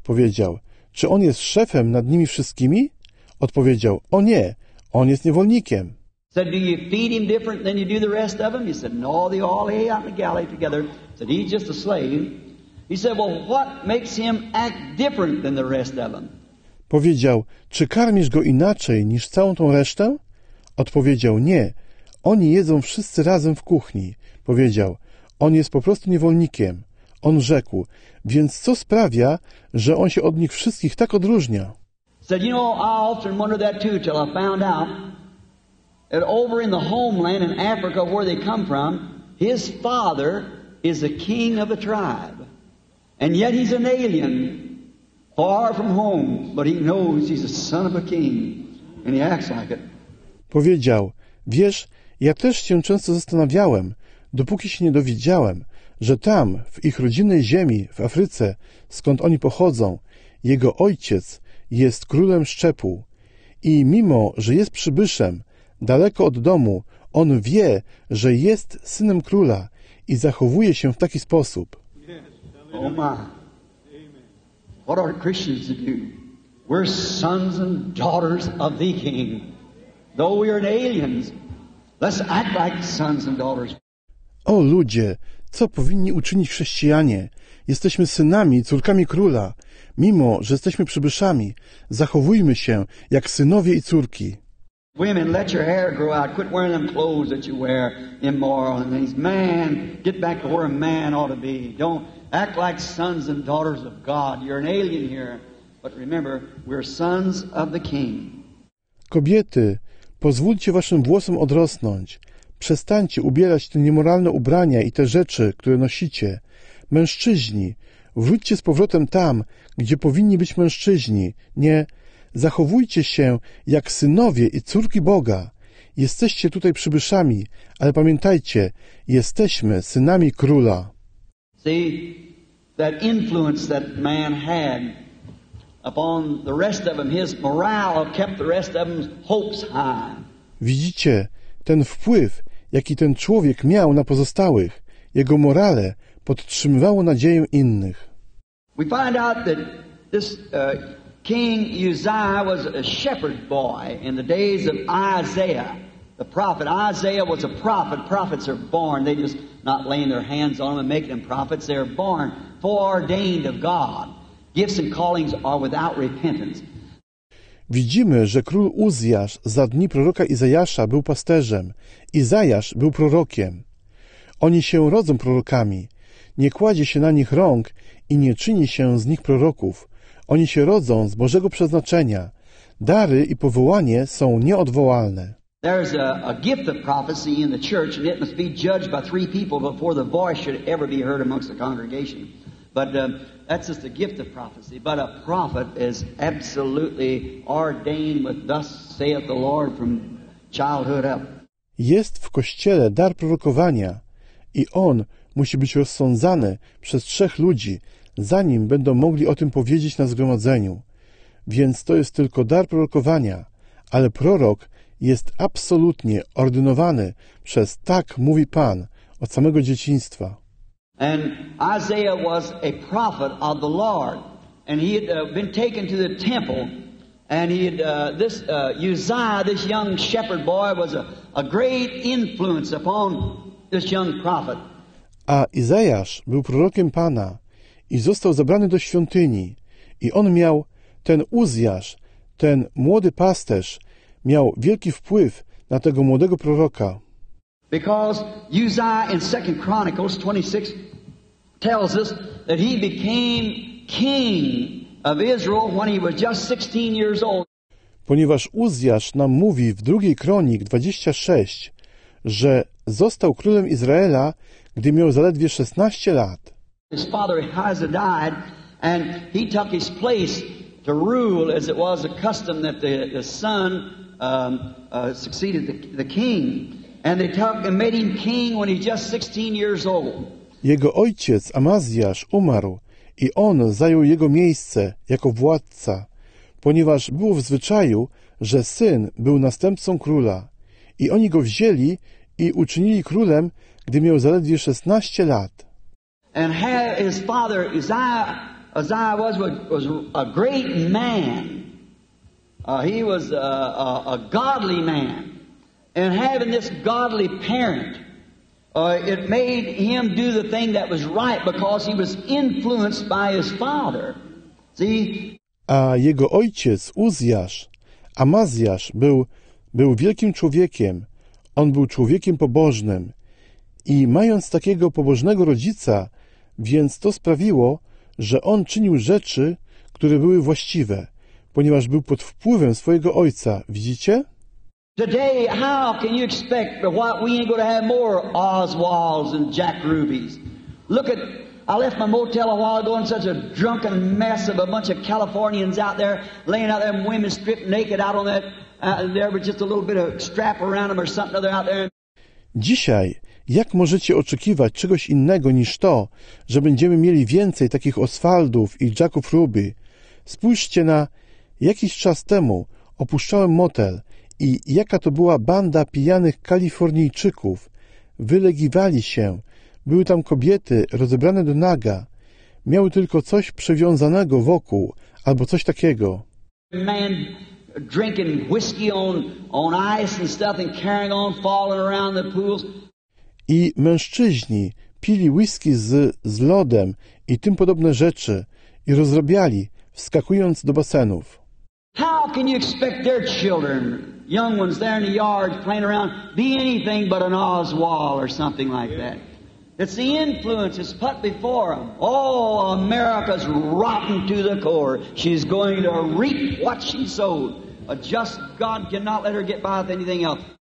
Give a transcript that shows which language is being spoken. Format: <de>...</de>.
<pl>Powiedział, czy on jest szefem nad nimi wszystkimi? Odpowiedział, o nie, on jest niewolnikiem.</pl> <en>Said, do you feed him different than you do the rest of them? He said, no, they all lay out in the galley together. Said, he's just a slave. He said, "Well, what makes him act different than the rest of them?"</en> <pl>Powiedział: "Czy karmisz go inaczej niż całą tą resztę?" Odpowiedział: "Nie. Oni jedzą wszyscy razem w kuchni." Powiedział: "On jest po prostu niewolnikiem." On rzekł: "Więc co sprawia, że on się od nich wszystkich tak odróżnia?"</pl> <en>Said, "You know, I often wondered that too, till I found out that over in the homeland in Africa where they come from, his father is a king of a tribe. And yet he's an alien, far from home, but he knows he's a son of a king, and he acts like it."</en> <pl>Powiedział: "Wiesz, ja też się często zastanawiałem, dopóki się nie dowiedziałem, że tam, w ich rodzinnej ziemi, w Afryce, skąd oni pochodzą, jego ojciec jest królem szczepu. I mimo, że jest przybyszem, daleko od domu, on wie, że jest synem króla i zachowuje się w taki sposób."</pl> <en>Oh my. What are Christians to do? We're sons and daughters of the King. Though we are aliens, let's act like sons and daughters.</en> <pl>O ludzie, co powinni uczynić chrześcijanie? Jesteśmy synami i córkami króla. Mimo, że jesteśmy przybyszami, zachowujmy się jak synowie i córki.</pl> <en>Women, let your hair grow out. Quit wearing them clothes that you wear, immoral. And these men, get back to where a man ought to be. Don't act like sons and daughters of God. You're an alien here. But remember, we're sons of the King.</en> <pl>Kobiety, pozwólcie waszym włosom odrosnąć. Przestańcie ubierać te niemoralne ubrania i te rzeczy, które nosicie. Mężczyźni, wróćcie z powrotem tam, gdzie powinni być mężczyźni. Nie, zachowujcie się jak synowie i córki Boga. Jesteście tutaj przybyszami, ale pamiętajcie, jesteśmy synami króla.</pl> <en>See, that influence that man had upon the rest of them, his morale kept the rest of them's hopes high.</en> <pl>Widzicie, ten wpływ, jaki ten człowiek miał na pozostałych, jego morale podtrzymywało nadzieję innych.</pl> <en>We find out that this King Uzziah was a shepherd boy in the days of Isaiah, the prophet. Isaiah was a prophet. Prophets are born. They just not laying their hands on them and making them prophets. They are born, foreordained of God. Gifts and callings are without repentance.</en> <pl>Widzimy, że król Uzjasz za dni proroka Izajasza był pasterzem. Izajasz był prorokiem. Oni się rodzą prorokami. Nie kładzie się na nich rąk i nie czyni się z nich proroków. Oni się rodzą z Bożego przeznaczenia. Dary i powołanie są nieodwołalne.</pl> <en>There's a gift of prophecy in the church, and it must be judged by three people before the voice should ever be heard amongst the congregation. But that's just a gift of prophecy. But a prophet is absolutely ordained with thus saith the Lord from childhood up.</en> <pl>Jest w kościele dar prorokowania i on musi być rozsądzany przez trzech ludzi, zanim będą mogli o tym powiedzieć na zgromadzeniu. Więc to jest tylko dar prorokowania, ale prorok jest absolutnie ordynowany przez tak mówi Pan od samego dzieciństwa.</pl> <en>And Isaiah was a prophet of the Lord, and he had been taken to the temple, and he had Uzziah, this young shepherd boy, was a great influence upon this young prophet.</en> <pl>A Izajasz był prorokiem Pana i został zabrany do świątyni, i on miał, ten Uzjasz, ten młody pasterz, miał wielki wpływ na tego młodego proroka.</pl> <en>Because Uzziah in 2 Chronicles 26 tells us that he became king of Israel when he was just 16 years old.</en> <pl>Ponieważ Uzziasz nam mówi w 2 Kronik 26, że został królem Izraela, gdy miał zaledwie 16 lat.</pl> <en>His father Ahaziah died and he took his place to rule as it was a custom that the son succeeded the king. And they made him king when he was just 16 years old.</en> <pl>Jego ojciec Amaziasz umarł i on zajął jego miejsce jako władca, ponieważ było w zwyczaju, że syn był następcą króla. I oni go wzięli i uczynili królem, gdy miał zaledwie 16 lat.</pl> <en>And his father Uzziah was a great man. He was a godly man. And having this godly parent It made him do the thing that was right because he was influenced by his father. See?</en> <pl>A jego ojciec Uzjasz, Amazjasz, był wielkim człowiekiem. On był człowiekiem pobożnym. I mając takiego pobożnego rodzica, więc to sprawiło, że on czynił rzeczy, które były właściwe, ponieważ był pod wpływem swojego ojca. Widzicie?</pl> <en>Today, how can you expect what we ain't going to have more Oswalds and Jack Rubies? Look at, I left my motel a while ago in such a drunken mess of a bunch of Californians out there, laying out there, women stripped naked out on that, there was just a little bit of strap around them or something other out there.</en> <pl>Dzisiaj, jak możecie oczekiwać czegoś innego niż to, że będziemy mieli więcej takich Oswaldów i Jacków Ruby? Spójrzcie na, jakiś czas temu opuszczałem motel i jaka to była banda pijanych Kalifornijczyków. Wylegiwali się, były tam kobiety rozebrane do naga, miały tylko coś przewiązanego wokół, albo coś takiego.</pl> <en>Man drinking whiskey on ice and stuff and carrying on, falling around the pools.</en> <pl>I mężczyźni pili whisky z lodem i tym podobne rzeczy i rozrabiali, wskakując do basenów.</pl> <en>How can you expect their children, young ones there in the yard playing around, be anything but an Oswald or something like that? It's the influence that's put before them. Oh, America's rotten to the core. She's going to reap what she sowed. A just God cannot let her get by with anything else.</en>